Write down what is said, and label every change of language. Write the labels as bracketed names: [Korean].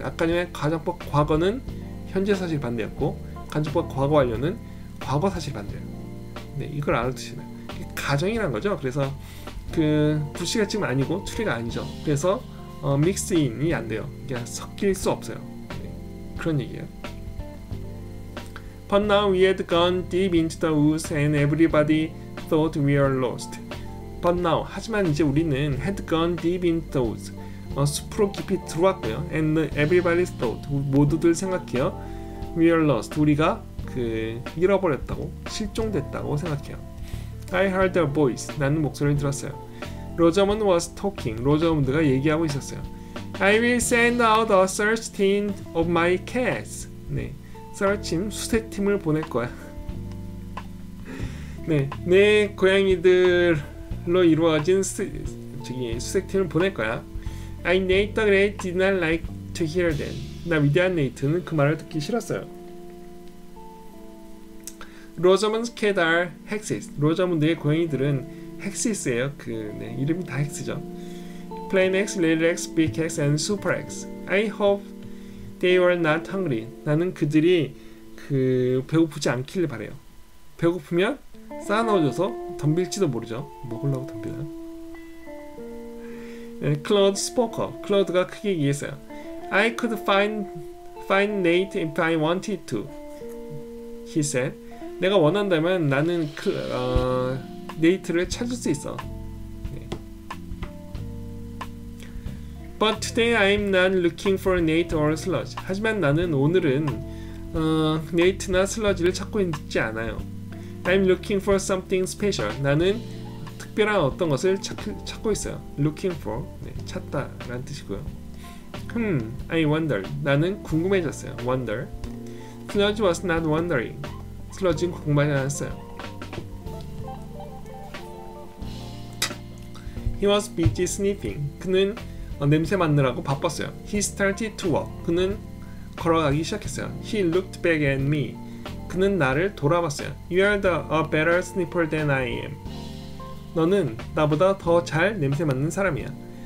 [Korean] 아까 전에 가정법 과거는 현재 사실 반대였고 가정법 과거 완료는 과거 사실 반대예요. 네, 이걸 알아두시면 가정이란 거죠. 그래서 그 부시가 지금 아니고 트리가 아니죠. 그래서 믹스인이 안 돼요. 그냥 섞일 수 없어요. 네. 그런 얘기예요. [English] But now we had gone deep into the woods and everybody thought we were lost. But now, [Korean] 하지만 이제 우리는 [English] had gone deep into the woods. [Korean] 숲으로 깊이 들어왔고요. [English] And everybody thought, [Korean] 모두들 생각해요. [English] We are lost. [Korean] 우리가 그 잃어버렸다고, 실종됐다고 생각해요. [English] I heard a voice. [Korean] 나는 목소리를 들었어요. [English] Rosamund was talking. [Korean] Rosamund가 얘기하고 있었어요. [English] I will send out a search team of my cats. [Korean] 네, search team 수색팀을 보낼 거야. 네, 내 고양이들로 이루어진 수색팀을 보낼 거야. [English] I Nate the Great did not like to hear them. [Korean] 나 위대한 네이트는 그 말을 듣기 싫었어요. [English] Rosamund's cats are hexes. [Korean] Rosamund의 고양이들은 헥시스예요. 그 네, 이름이 다 헥스죠. Plain X, Little X, Big X, and Super X. [English] I hope they were not hungry. [Korean] 나는 그들이 그 배고프지 않길 바래요. 배고프면 쌓아 넣어줘서 덤빌지도 모르죠. 먹으려고 덤비나. 네, [English] Claude spoke up. [Korean] Claude가 크게 얘기했어요. [English] I could find Nate if I wanted to. He said. [Korean] 내가 원한다면 나는 그 네이트를 찾을 수 있어. 네. [English] But today I'm not looking for Nate or Sludge. [Korean] 하지만 나는 오늘은 네이트나 슬러지를 찾고 있지 않아요. [English] I'm looking for something special. [Korean] 나는 특별한 어떤 것을 찾고 있어요. Looking for, 네, 찾다 라는 뜻이고요. [English] I wonder. [Korean] 나는 궁금해졌어요. Wonder. [English] Sludge was not wondering. [Korean] 슬러지는 궁금하지 않았어요. [English] He was busy sniffing. [Korean] 그는 냄새 맡느라고 바빴어요. [English] He started to walk. [Korean] 그는 걸어가기 시작했어요. [English] He looked back at me. [Korean] 그는 나를 돌아봤어요. [English] You are a better sniffer than I am. [Korean] 너는 나보다 더 잘 냄새 맡는 사람이야.